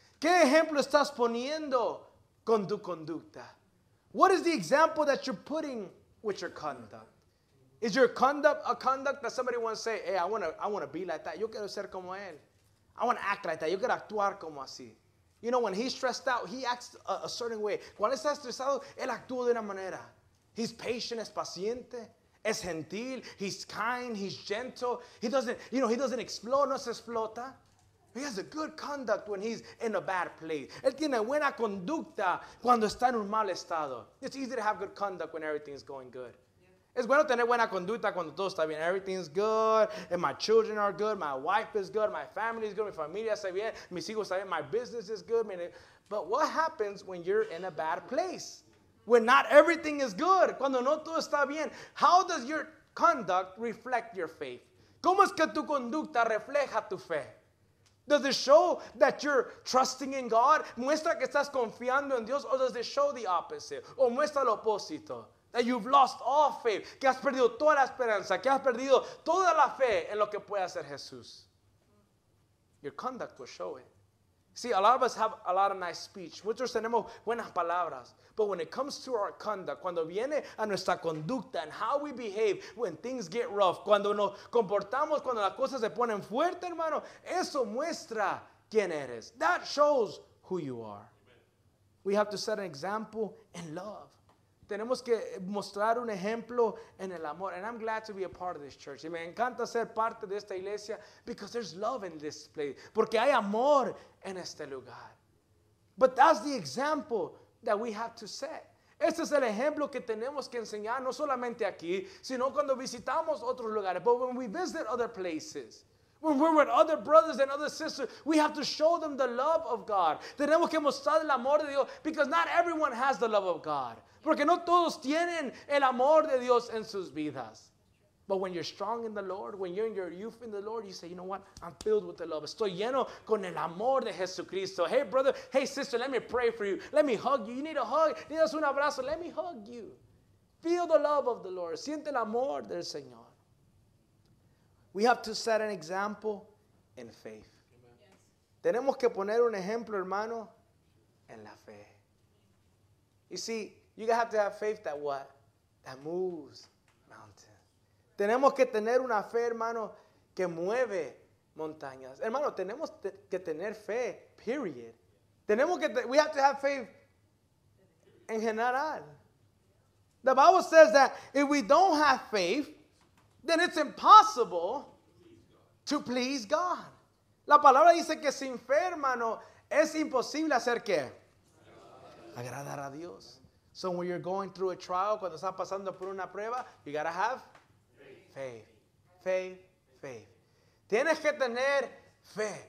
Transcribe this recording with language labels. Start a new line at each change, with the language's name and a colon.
Spanish: ¿Qué ejemplo estás poniendo con tu conducta?
English: What is the example that you're putting with your conduct? Is your conduct a conduct that somebody wants to say, hey, I want to be like that.
Spanish: Yo quiero ser como él.
English: I want to act like that.
Spanish: Yo quiero actuar como así.
English: You know, when he's stressed out, he acts a certain way.
Spanish: Cuando está estresado, él actúa de una manera.
English: He's patient,
Spanish: es paciente, es gentil,
English: he's kind, he's gentle. He doesn't explode,
Spanish: no se explota.
English: He has a good conduct when he's in a bad place.
Spanish: Él tiene buena conducta cuando está en un mal estado.
English: It's easy to have good conduct when everything is going good. Yeah.
Spanish: Es bueno tener buena conducta cuando todo está bien.
English: Everything's good, and my children are good, my wife is good, my family is good,
Spanish: mi familia está bien,
English: mis hijos está bien, my business is good. But what happens when you're in a bad place? When not everything is good,
Spanish: cuando no todo está bien,
English: how does your conduct reflect your faith?
Spanish: ¿Cómo es que tu conducta refleja tu fe?
English: Does it show that you're trusting in God?
Spanish: ¿Muestra que estás confiando en Dios?
English: Or does it show the opposite?
Spanish: ¿O muestra lo opuesto?
English: That you've lost all faith,
Spanish: que has perdido toda la esperanza, que has perdido toda la fe en lo que puede hacer Jesús.
English: Your conduct will show it. See, a lot of us have a lot of nice speech.
Spanish: Muchos tenemos buenas palabras.
English: But when it comes to our conduct,
Spanish: cuando viene a nuestra conducta
English: and how we behave when things get rough,
Spanish: cuando nos comportamos, cuando las cosas se ponen fuerte, hermano, eso muestra quién eres.
English: That shows who you are. Amen. We have to set an example in love.
Spanish: Tenemos que mostrar un ejemplo en el amor.
English: And I'm glad to be a part of this church.
Spanish: Y me encanta ser parte de esta iglesia
English: because there's love in this place.
Spanish: Porque hay amor en este lugar.
English: But that's the example that we have to set.
Spanish: Este es el ejemplo que tenemos que enseñar, no solamente aquí, sino cuando visitamos otros lugares.
English: But when we visit other places, when we're with other brothers and other sisters, we have to show them the love of God.
Spanish: Tenemos que mostrar el amor de Dios,
English: because not everyone has the love of God.
Spanish: Porque no todos tienen el amor de Dios en sus vidas.
English: But when you're strong in the Lord, when you're in your youth in the Lord, you say, you know what? I'm filled with the love.
Spanish: Estoy lleno con el amor de Jesucristo.
English: Hey, brother. Hey, sister. Let me pray for you. Let me hug you. You need a hug.
Spanish: Necesitas un abrazo.
English: Let me hug you. Feel the love of the Lord.
Spanish: Siente el amor del Señor.
English: We have to set an example in faith. Yes.
Spanish: Tenemos que poner un ejemplo, hermano, en la fe.
English: You see, you have to have faith that what? That moves.
Spanish: Tenemos que tener una fe, hermano, que mueve montañas. Hermano, tenemos que tener fe, period.
English: We have to have faith
Spanish: en general.
English: The Bible says that if we don't have faith, then it's impossible to please God.
Spanish: La palabra dice que sin fe, hermano, es imposible hacer ¿qué? Agradar a Dios.
English: So when you're going through a trial,
Spanish: cuando estás pasando por una prueba,
English: you gotta have faith, faith, faith.
Spanish: Tienes que tener fe.